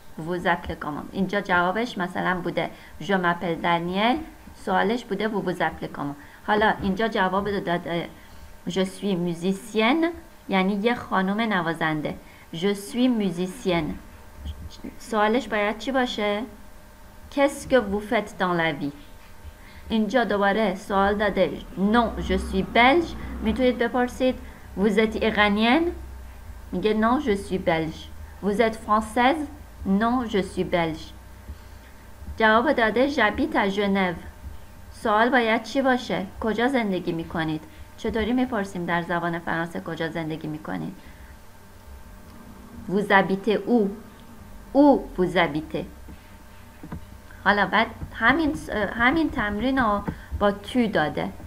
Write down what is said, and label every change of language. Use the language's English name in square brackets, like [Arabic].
[French] Vous appelez comment؟ [Persian] اینجا جوابش مثلا بوده [French] Je m'appelle Daniel. [Persian] سوالش بوده [French] Vous appelez comment؟ [Persian] حالا اینجا جواب داده [French] Je suis musicienne، [Persian] یعنی یه خانم نوازنده. [French] Je suis musicienne. [Persian] سوالش باید چی باشه؟ [French] Qu'est-ce que vous faites dans la vie؟ [Persian] اینجا دوباره سوال داده [French] Non, je suis belge. [Persian] میتونید بپرسید [French] Vous êtes iranienne؟ [Persian] میگه [French] Non, je suis belge. Vous êtes française؟ Non, je suis belge. [Persian] جواب داده [French] J'habite à Genève. [Persian] سوال باید چی باشه؟ کجا زندگی میکنید؟ چطوری میپرسیم در زبان فرانسه کجا زندگی میکنید؟ [French] Vous habitez où؟ [Persian] او [French] vous habitez. [Persian] حالا بعد همین تمرین رو با تو داده.